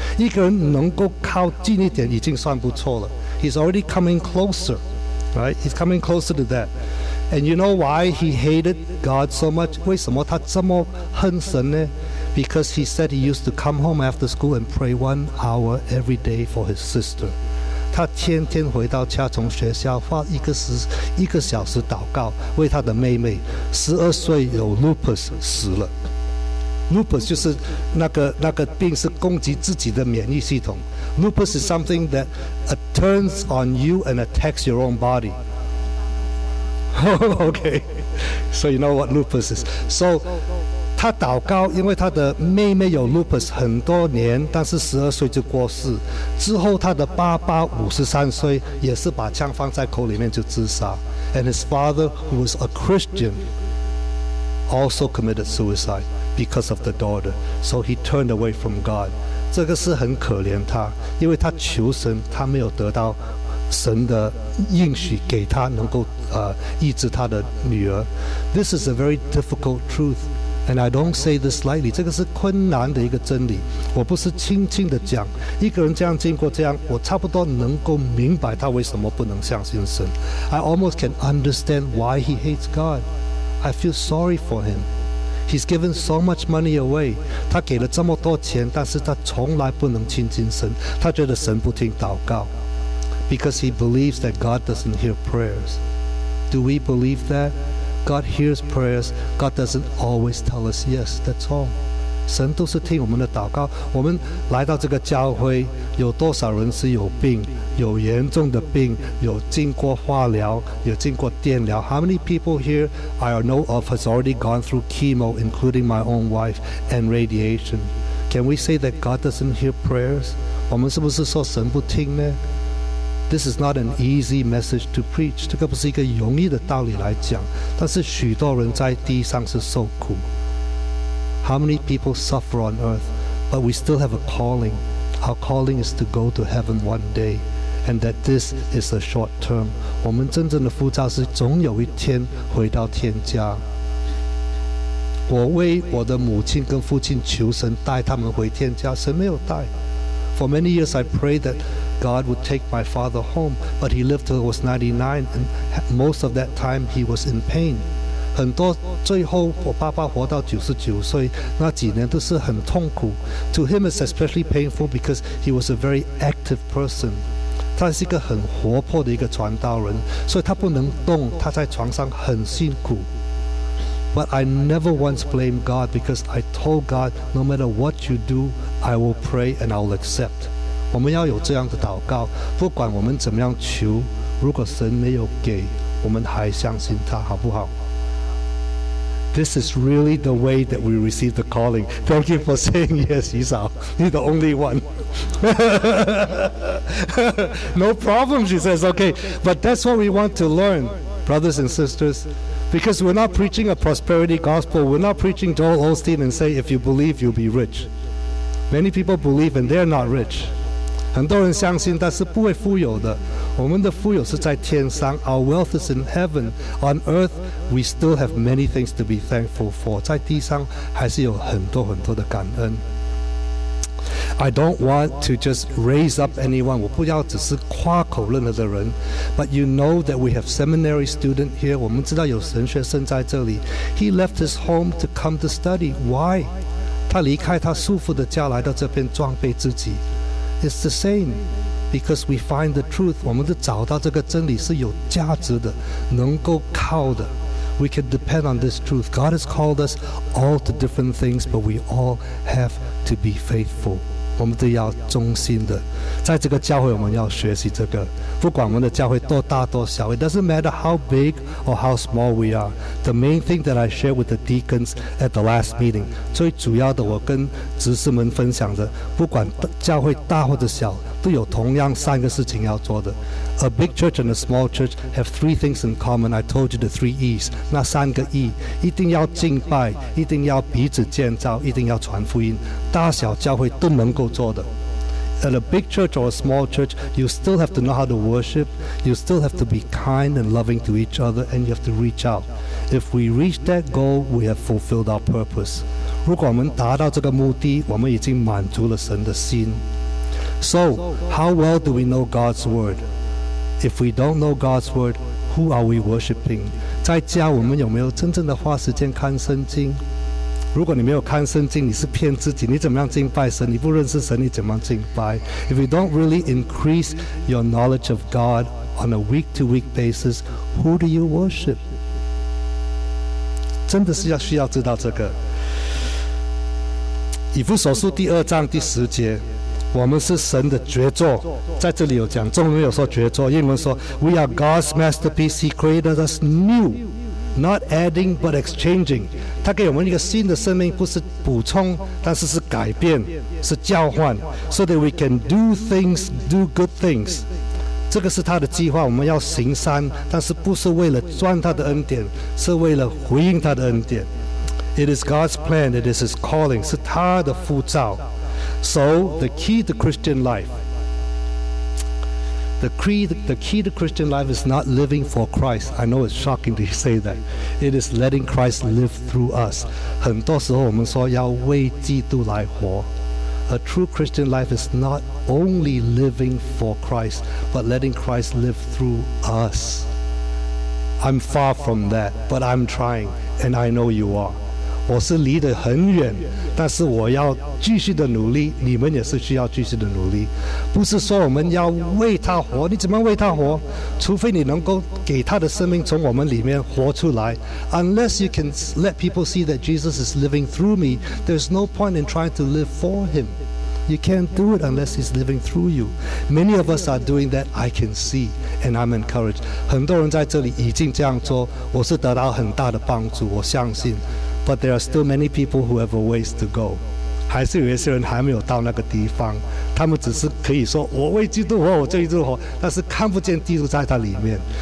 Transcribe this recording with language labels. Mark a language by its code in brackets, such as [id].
[zh] 一个人能够靠近一点，已经算不错了。 [en] He's already coming closer. Right, he's coming closer to that. And you know why he hated God so much? [zh] 为什么他这么恨神呢 [en] Because he said he used to come home after school and pray 1 hour every day for his sister. [zh] 他天天回到家，从学校花一个小时祷告，为他的妹妹，12岁有 lupus 死了。 Lupus 就是那个病，是攻击自己的免疫系统。 [en] Lupus is something that turns on you and attacks your own body. Okay, so you know what lupus is. [zh] So, 他祷告，因为他的妹妹有 lupus 很多年，但是十二岁就过世。之后，他的爸爸53岁，也是把枪放在口里面就自杀。 [en] And his father, who was a Christian, also committed suicide because of the daughter. So he turned away from God. [zh] 这个是很可怜他，因为他求神，他没有得到神的应许给他能够医治他的女儿。 [en] This is a very difficult truth, and I don't say this lightly. [zh] 这个是困难的一个真理，我不是轻轻的讲。一个人这样经过这样，我差不多能够明白他为什么不能相信神。 [en] I almost can understand why he hates God. I feel sorry for him. He's given so much money away. [zh] 他给了这么多钱，但是他从来不能亲近神。他觉得神不听祷告。 [en] Because he believes that God doesn't hear prayers. Do we believe that? God hears prayers. God doesn't always tell us yes. That's all. [zh] 神都是听我们的祷告。我们来到这个教会，有多少人是有病，有严重的病，有经过化疗，有经过电疗。 [en] How many people here I know of has already gone through chemo, including my own wife, and radiation? Can we say that God doesn't hear prayers? [zh] 我们是不是说神不听呢？ [en] This is not an easy message to preach. [zh] 这个不是一个容易的道理来讲，但是许多人在地上是受苦。 [en] How many people suffer on earth, but we still have a calling. Our calling is to go to heaven one day, and that this is a short term. [zh] 我们真正的呼召是总有一天回到天家。我为我的母亲跟父亲求神带他们回天家，神没有带。 [en] For many years I prayed that God would take my father home, but he lived till he was 99, and most of that time he was in pain. [zh] 很多最后我爸爸活到99岁那几年都是很痛苦。 [en] To him it's especially painful because he was a very active person. [zh] 他是一个很活泼的一个传道人，所以他不能动，他在床上很辛苦。 [en] But I never once blamed God because I told God, no matter what you do, I will pray and I will accept. [zh] 我们要有这样的祷告，不管我们怎么样求，如果神没有给，我们还相信他，好不好？ [en] This is really the way that we receive the calling. Thank you for saying yes, Yisao. You're the only one. No problem, she says, okay. But that's what we want to learn, brothers and sisters. Because we're not preaching a prosperity gospel. We're not preaching Joel Osteen and say, if you believe, you'll be rich. Many people believe and they're not rich. [zh] 很多人相信，但是不会富有的。我们的富有是在天上。 [en] Our wealth is in heaven. On earth, we still have many things to be thankful for. [zh] 在地上还是有很多很多的感恩。 [en] I don't want to just raise up anyone. [zh] 我不要只是夸口任何的人。 [en] But you know that we have seminary student here. [zh] 我们知道有神学生在这里。 [en] He left his home to come to study. Why? [zh] 他离开他舒服的家来到这边装备自己。 [en] It's the same because we find the truth. [zh] 我们都找到这个真理是有价值的，能够靠的。 [en] We can depend on this truth. God has called us all to different things, but we all have to be faithful. [zh] 我们都要忠心的。在这个教会，我们要学习这个。不管我们的教会多大多小， [en] It doesn't matter how big or how small we are. The main thing that I shared with the deacons at the last meeting, [zh] 最主要的我跟执事们分享的，不管教会大或者小，都有同样三个事情要做的。 [en] A big church and a small church have three things in common. I told you the three E's. [zh] 那三个 E, 一定要敬拜，一定要彼此建造，一定要传福音。大小教会都能够做的。 [en] At a big church or a small church, you still have to know how to worship, you still have to be kind and loving to each other, and you have to reach out. If we reach that goal, we have fulfilled our purpose. [zh] 如果我们达到这个目的，我们已经满足了神的心。 [en] So, how well do we know God's word? If we don't know God's word, who are we worshiping? [zh] 在家我们有没有真正的花时间看圣经？如果你没有看圣经，你是骗自己。你怎么样敬拜神？你不认识神，你怎么样敬拜？ [en] If you don't really increase your knowledge of God on a week-to-week basis, who do you worship? [zh] 真的是要需要知道这个。以弗所书第二章第十节，我们是神的杰作，在这里有讲，中文有说杰作，英文说 [en] We are God's masterpiece. He created us new. Not adding, but exchanging. [zh] 他给我们一个新的生命，不是补充，但是是改变，是交换。 [en] So that we can do things, do good things. [zh] 这个是他的计划，我们要行善，但是不是为了赚他的恩典，是为了回应他的恩典。 [en] It is God's plan, it is His calling, [zh] 是他的呼召。 [en] So, the key to Christian life. The key to Christian life is not living for Christ. I know it's shocking to say that. It is letting Christ live through us. [zh] 很多时候我们说要为基督来活。 [en] A true Christian life is not only living for Christ, but letting Christ live through us. I'm far from that, but I'm trying, and I know you are. [zh] 我是离得很远，但是我要继续的努力，你们也是需要继续的努力。不是说我们要为他活，你怎么为他活？除非你能够给他的生命从我们里面活出来。 [en] Unless you can let people see that Jesus is living through me, there's no point in trying to live for him. You can't do it unless he's living through you. Many of us are doing that, I can see, and I'm encouraged. [zh] 很多人在这里已经这样做，我是得到很大的帮助，我相信。 [en] But there are still many people who have a ways to go. [zh] 还是有一些人还没有到那个地方，他们只是可以说我为基督活，我为基督活，但是看不见基督在他里面。